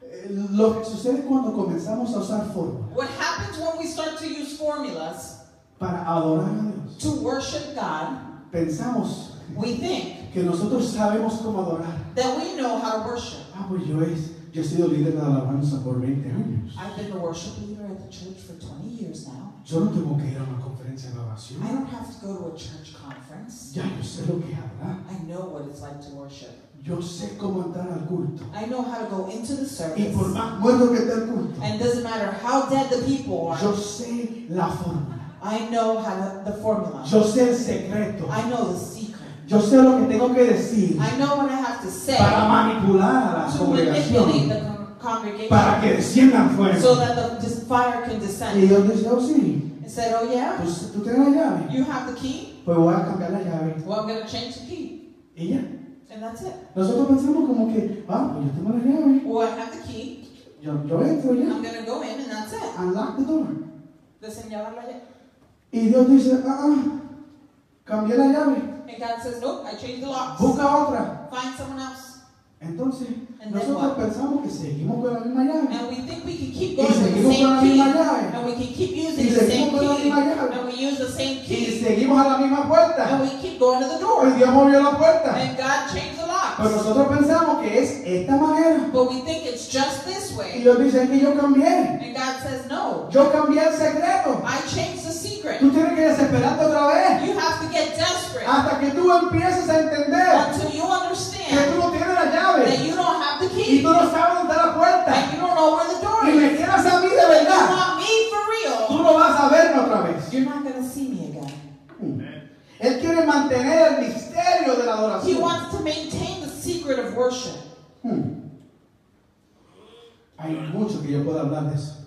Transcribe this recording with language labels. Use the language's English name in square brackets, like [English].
[Spanish] Lo que sucede cuando comenzamos a usar fórmulas. [English] What happens when we start to use formulas? [Spanish] Para adorar a Dios. [English] To worship God. [Spanish] Pensamos. [English] We think. [Spanish] Que nosotros sabemos cómo adorar. [English] That we know how to worship. [Spanish] Ah, pues yo he sido líder de alabanza por 20 años. [English] I've been a worship leader at the church for 20 years now. [Spanish] Yo no tengo que ir a una conferencia de adoración. [English] I don't have to go to a church conference. [Spanish] Ya yo sé lo que habla. [English] I know what it's like to worship. [Spanish] Yo sé cómo entrar al culto. [English] I know how to go into the service. [Spanish] Y por más muerto que esté el culto. [English] And it doesn't matter how dead the people are. [Spanish] Yo sé la fórmula. [English] I know how the formula. [Spanish] Yo sé el secreto. [English] I know the secret. [Spanish] Yo sé lo que tengo que decir. [English] I know what I have to say. [Spanish] Para manipular a la [English] to [Spanish] congregación. [English] Manipulate the congregation. [Spanish] Para que desciendan fuego. [English] So that the fire can descend. [Spanish] Y yo dije, oh sí. [English] I said, oh yeah. [Spanish] Pues tú tienes la llave. [English] You have the key. [Spanish] Pues voy a cambiar la llave. [English] Well, I'm going to change the key. [Spanish] Y ya. [English] And that's it. [Spanish] Nosotros pensamos como que, ah, pues yo tengo la llave. [English] Well, I have the key. [Spanish] Yo entro ya. [English] I'm going to go in and that's it. Unlock the door. [Spanish] Desenllavar la llave. Y Dios dice, cambié la llave. [English] And God says, nope, I changed the locks. [Spanish] Busca otra. [English] Find someone else. [Spanish] Entonces, and nosotros pensamos que seguimos con la misma llave. [English] And we think we can keep going with the same key. [Spanish] Y seguimos con la misma llave. [English] And we can keep using the same key. [Spanish] Y seguimos con la misma llave. [English] And we use the same key. [Spanish] Y seguimos a la misma puerta. [English] And we keep going to the door. [Spanish] Y Dios movió la puerta. [English] And God changed the locks. [Spanish] Pero nosotros pensamos que es esta manera. [English] But we think it's just this way. [Spanish] Y Dios dice que yo cambié. [English] And God says no. [Spanish] Yo cambié el secreto. [English] I changed the secret. [Spanish] Tú tienes que desesperarte otra vez. [English] You have to get desperate. [Spanish] Hasta que tú empieces a entender. [English] Until you understand. [Spanish] Que tú no tienes la llave. [English] That you don't have the key. [Spanish] Y tú no sabes dónde está la puerta. [English] And you don't know where the door is. [Spanish] Y me quieras a mí de verdad. [English] You want me for real. [Spanish] Tú no vas a verme otra vez. [English] You're not going to see me again. [Spanish] Él quiere mantener el misterio de la adoración. [English] He wants to maintain the secret of worship. [Spanish] Hay mucho que yo pueda hablar de eso.